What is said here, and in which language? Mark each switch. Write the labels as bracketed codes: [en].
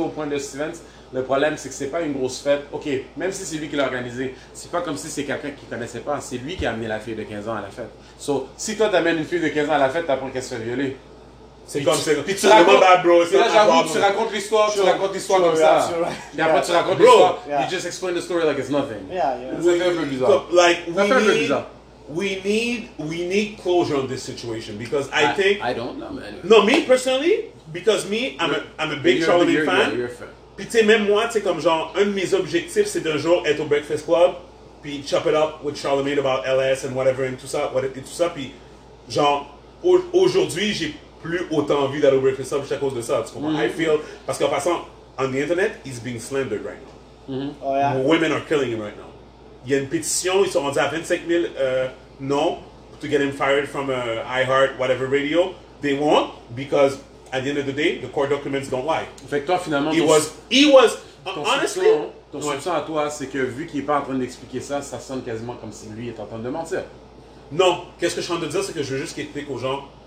[fr] au point de Stevens, le problème c'est que c'est pas une grosse fête. Ok, même si c'est lui qui l'a organisé, c'est pas comme si c'est quelqu'un qui connaissait pas. C'est lui qui a amené la fille de 15 ans à la fête. So, si toi t'amènes une fille de 15 ans à la fête, t'apprends qu'elle se fait violer. Tu racontes l'histoire comme ça. [en] You just explain the story like it's nothing. Yeah. It's very bizarre. Like, we need We need closure on this situation because I think I don't know, man. No, me personally, because me, I'm a big Charlie fan. You're a fan. [fr] Puis tu sais, même moi, tu sais, comme genre, un de mes objectifs, c'est d'un jour être au Breakfast Club, puis [en] chop it up with Charlemagne about LS and whatever [fr] and tout ça, et tout ça. Puis genre, aujourd'hui, j'ai plus autant envie d'aller au Breakfast Club juste à cause de ça. Tu comprends? [en] Mm-hmm. I feel. [fr] Parce qu'en passant, [en] on the internet, he's being slandered right now. Mm-hmm. Oh, yeah. Women are killing him right now. [fr] Il y a une pétition, ils sont rendus à 25 000 noms [en] to get him fired from iHeart, whatever radio. They won't, because at the end of the day, the court documents don't lie. [fr] Fait que toi, finalement, [en] he was honestly. [fr] Ton soupçon à toi, c'est que vu qu'il n'est pas en train d'expliquer ça, ça sonne quasiment comme si lui est en train de mentir. Non, qu'est-ce que je suis en train de dire, c'est que je veux juste qu'il explique aux gens.